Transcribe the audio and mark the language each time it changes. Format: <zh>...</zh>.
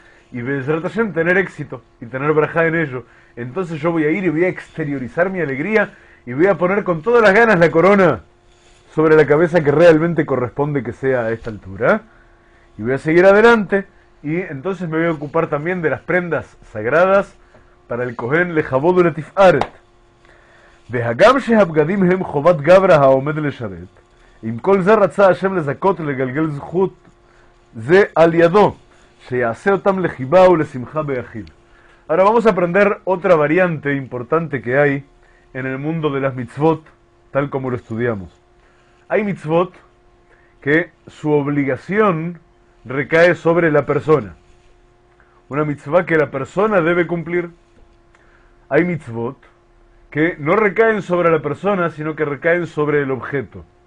<es>Y Be'ezrat Hashem, tener éxito y tener brajá en ello. Entonces yo voy a ir y voy a exteriorizar mi alegría y voy a poner con todas las ganas la corona sobre la cabeza que realmente corresponde que sea a esta altura. Y voy a seguir adelante. Y entonces me voy a ocupar también de las prendas sagradas para el Kohen Lejavod Uletifaret.</es> <he>והגם שהבגדים הם חובת גברה העומד לשרת, עם כל זה רצה השם לזכות לגלגל זכות זה על ידו, שיעשה אותם לחיבה ולשמחה ביחיד.</he> <es>Ahora vamos a aprender otra variante importante que hay en el mundo de las mitzvot, tal como lo estudiamos. Hay mitzvot que su obligación recae sobre la persona. Una mitzvah que la persona debe cumplir. Hay mitzvot que no recaen sobre la persona, sino que recaen sobre el objeto.</es>